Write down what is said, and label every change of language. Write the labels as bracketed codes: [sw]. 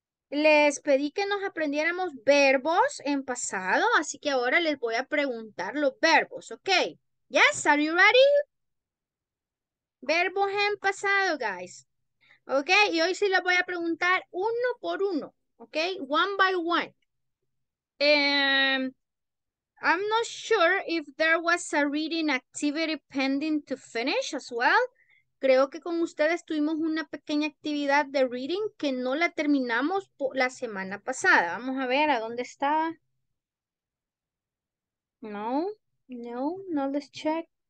[es] Les pedí que nos aprendiéramos verbos en pasado, así que ahora les voy a preguntar los verbos, ¿ok? [en] Yes, are you ready? [es] Verbos en pasado, guys. ¿Ok? Y hoy sí les voy a preguntar uno por uno, ¿ok? [en] One by one. I'm not sure if there was a reading activity pending to finish as well. [es] Creo que con ustedes tuvimos una pequeña actividad de reading que no la terminamos la semana pasada. Vamos a ver a dónde está. [en] No, let's check.